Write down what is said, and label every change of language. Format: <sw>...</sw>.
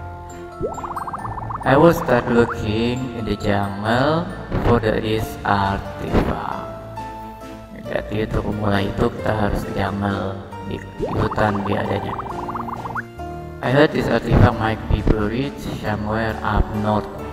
<en>Okay. I will start looking in the jungle for this artifact.</en> <id>Jadi untuk mulai itu kita harus ke jungle, di hutan biadanya.</id> <en>I heard this artifact might be buried somewhere up north.</en>